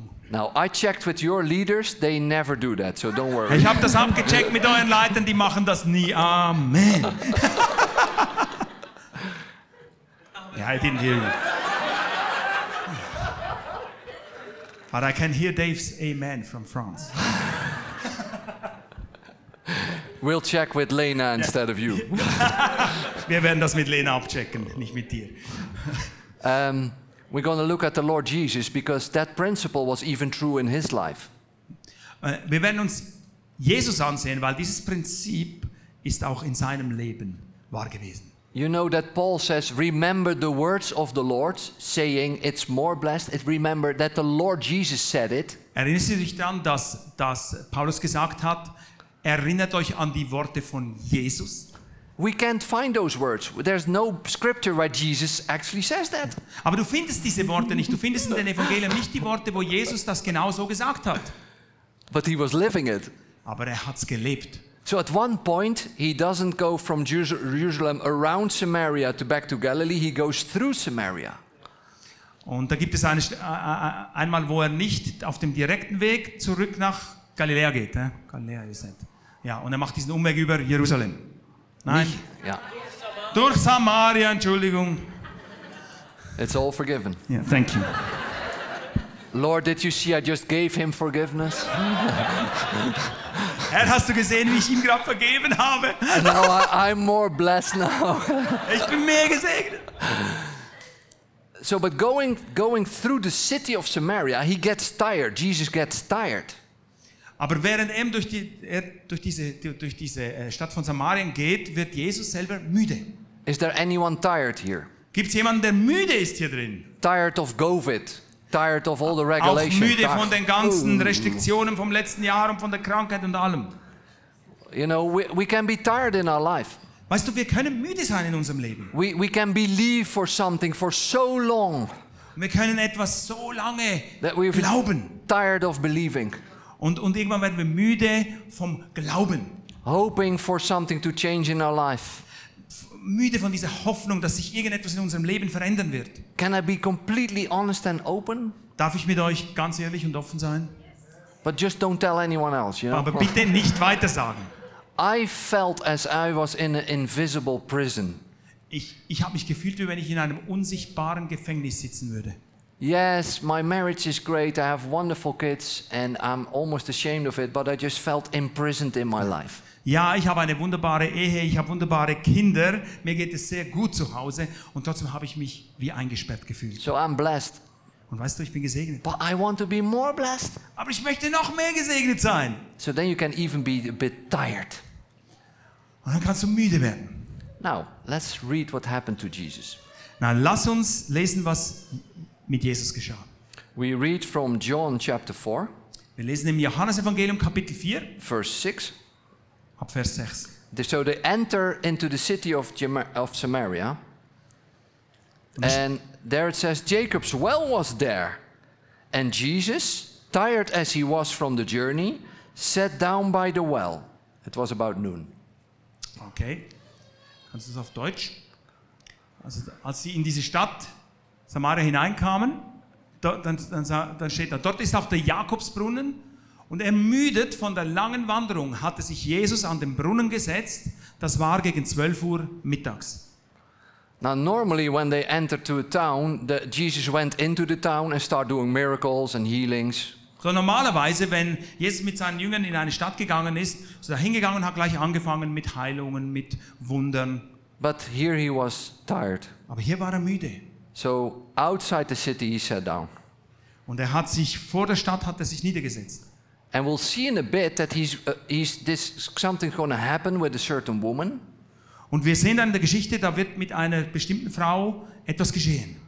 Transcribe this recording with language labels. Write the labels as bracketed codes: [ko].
[en] Now I checked with your leaders; they never do that, so don't worry. [de] Ich habe das abgecheckt mit euren Leitern; die machen das nie. [en] Amen. Yeah, I didn't hear you, but I can hear Dave's amen from France. We'll check with Lena instead of you. [de] Wir werden das mit Lena abchecken, nicht mit dir. [en] We're going to look at the Lord Jesus because that principle was even true in his life. [de] Wir werden uns Jesus ansehen, weil dieses Prinzip ist auch in seinem Leben wahr gewesen. [en] You know that Paul says, remember the words of the Lord, saying it's more blessed. Remember that the Lord Jesus said it. [de] Erinnert sich dann, dass Paulus gesagt hat, erinnert euch an die Worte von Jesus. [en] We can't find those words. There's no scripture where Jesus actually says that. [de] Aber du findest diese Worte nicht. Du findest in den Evangelien nicht die Worte, wo Jesus das genau so gesagt hat. [en] But he was living it. [de] Aber er hat's gelebt. [en] So at one point he doesn't go from Jerusalem around Samaria to back to Galilee. He goes through Samaria. [de] Und da gibt es einmal, wo er nicht auf dem direkten Weg zurück nach Galiläa geht. Eh? Galiläa ist es. Ja, und er macht diesen Umweg über Jerusalem. Nein. Ja. Durch Samaria, Entschuldigung. [en] It's all forgiven. Yeah, thank you. Lord, did you see I just gave him forgiveness? [de] Herr, hast du gesehen, wie ich ihm gerade vergeben habe? [en] Now I'm more blessed now. [de] Ich bin mehr gesegnet. [en] So, but going through the city of Samaria, he gets tired. Jesus gets tired. [de] Aber während er durch diese Stadt von Samarien geht, wird Jesus selber müde. [en] Is there anyone tired here? [de] Gibt's jemanden, der müde ist hier drin? [en] Tired of COVID, tired of all the regulations. [de] Auch müde von den ganzen Restriktionen vom letzten Jahr und von der Krankheit und allem. [en] You know, we can be tired in our life. [de] Weißt du, wir können müde sein in unserem Leben. [en] We can believe for something for so long. [de] Wir können etwas so lange glauben. [en] Tired of believing. [de] Und irgendwann werden wir müde vom Glauben. [en] Hoping for something to change in our life. [de] Müde von dieser Hoffnung, dass sich irgendetwas in unserem Leben verändern wird. [en] Can I be completely honest and open? [de] Darf ich mit euch ganz ehrlich und offen sein? [en] But just don't tell anyone else, you know? [de] Aber bitte nicht weitersagen. [en] I felt as I was in an invisible prison. [de] Ich habe mich gefühlt, wie wenn ich in einem unsichtbaren Gefängnis sitzen würde. [en] Yes, my marriage is great. I have wonderful kids and I'm almost ashamed of it, but I just felt imprisoned in my life. [de] Ja, ich habe eine wunderbare Ehe, ich habe wunderbare Kinder. Mir geht es sehr gut zu Hause und trotzdem habe ich mich wie eingesperrt gefühlt. [en] So I'm blessed. [de] Und weißt du, ich bin gesegnet. [en] But I want to be more blessed. [de] Aber ich möchte noch mehr gesegnet sein. [en] So then you can even be a bit tired. [de] Und dann kannst du müde werden. [en] Now, let's read what happened to Jesus. [de] Na, lass uns lesen, was mit Jesus geschah. [en] We read from John chapter 4. [de] Wir lesen im Johannesevangelium Kapitel 4, verse 6. Ab Vers 6. [en] So they enter into the city of Samaria. And there it says Jacob's well was there. And Jesus, tired as he was from the journey, sat down by the well. It was about noon. Okay. [de] Kannst du es auf Deutsch? Also als sie in diese Stadt Samaria hineinkamen, dann steht da, dort ist auch der Jakobsbrunnen und ermüdet von der langen Wanderung hatte sich Jesus an den Brunnen gesetzt. Das war gegen 12 Uhr mittags. [en] Now normally when they enter to a town, Jesus went into the town and start doing miracles and healings. [de] So normalerweise, wenn Jesus mit seinen Jüngern in eine Stadt gegangen ist, ist er hingegangen und hat gleich angefangen mit Heilungen, mit Wundern. [en] But here he was tired. [de] Aber hier war er müde. [en] So outside the city he sat down. [de] Und er hat sich vor der Stadt hat er sich niedergesetzt. [en] And we'll see in a bit that this something's going to happen with a certain woman. [de] Und wir sehen dann in der Geschichte, da wird mit einer bestimmten Frau etwas geschehen.